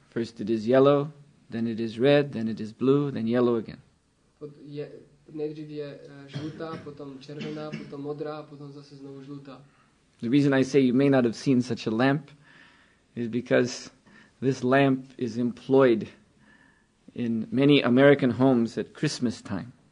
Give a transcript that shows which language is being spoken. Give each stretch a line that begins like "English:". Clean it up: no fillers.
English: First it is yellow, then it is red, then it is blue, then yellow again.
Czech: Nejdřív je žlutá, potom červená, potom modrá, potom zase znovu žlutá.
English: The reason I say you may not have seen such a lamp is because this lamp is employed in many American homes at Christmas time.